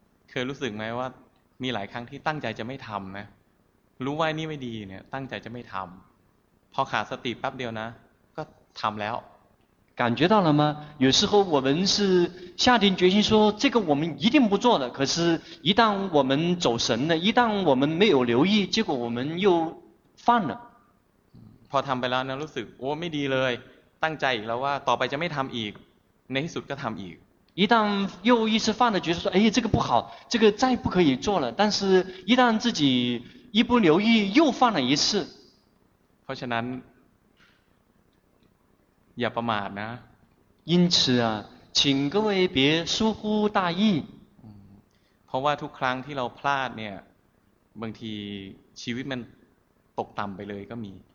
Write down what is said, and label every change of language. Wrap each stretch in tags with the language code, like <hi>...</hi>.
<th>เคยรู้สึกไหมว่ามีหลายครั้งที่ตั้งใจจะไม่ทำนะรู้ว่านี่ไม่ดีเนี่ยตั้งใจจะไม่ทำพอขาดสติแป๊บเดียวนะก็ทำแล้ว</th> <zh>感觉到了吗？有时候我们是下定决心说这个我们一定不做的，可是一旦我们走神了，一旦我们没有留意，结果我们又犯了。</zh> <th>พอทำไปแล้วนะรู้สึกโอ้ไม่ดีเลยตั้งใจอีกแล้วว่าต่อไปจะไม่ทำอีกในที่สุดก็ทำอีก</th> <zh>一旦又一次犯了决心说哎这个不好这个再不可以做了，但是一旦自己一不留意又犯了一次。</zh> <th>เพราะฉะนั้นอย่าประมาทนะ</th> <zh>因此啊请各位别疏忽大意</zh> <th>เพราะว่าทุกครั้งที่เราพลาดเนี่ยบางทีชีวิตมันตกต่ำไปเลยก็มี</th>